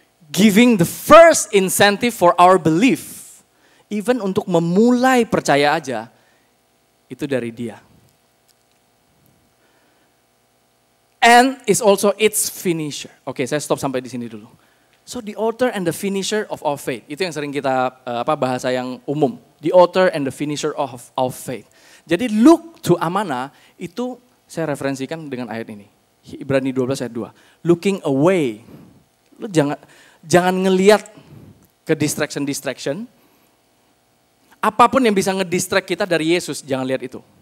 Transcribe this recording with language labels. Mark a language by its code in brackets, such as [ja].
[en] Giving the first incentive for our belief, even [id] untuk memulai percaya aja, itu dari dia. [en] And is also its finisher. Okay, [id] saya stop sampai di sini dulu. [en] So the author and the finisher of our faith. [id] Itu yang sering kita bahasa yang umum. [en] The author and the finisher of our faith. [id] Jadi [en] look to [id] Amana itu saya referensikan dengan ayat ini. Ibrani 12 ayat 2. [en] Looking away. [id] Lu jangan ngelihat ke distraction. Apapun yang bisa ngedistract kita dari Yesus, jangan lihat itu.